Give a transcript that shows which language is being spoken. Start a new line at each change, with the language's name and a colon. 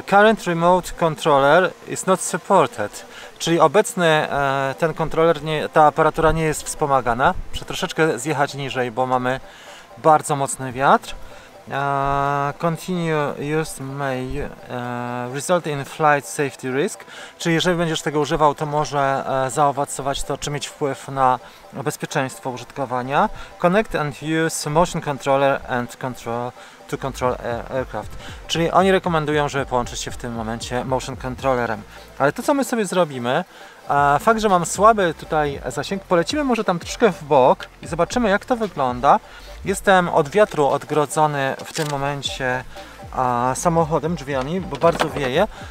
English: Current remote controller is not supported.
Polish: Czyli obecny ten kontroler, ta aparatura nie jest wspomagana. Muszę troszeczkę zjechać niżej, bo mamy bardzo mocny wiatr.
English: Continue use may result in flight safety risk.
Polish: Czyli jeżeli będziesz tego używał, to może zaowocować to, czy mieć wpływ na bezpieczeństwo użytkowania.
English: Connect and use motion controller and control to control aircraft.
Polish: Czyli oni rekomendują, żeby połączyć się w tym momencie motion controllerem. Ale to, co my sobie zrobimy, fakt, że mam słaby tutaj zasięg, polecimy może tam troszkę w bok i zobaczymy, jak to wygląda. Jestem od wiatru odgrodzony w tym momencie samochodem, drzwiami, bo bardzo wieje.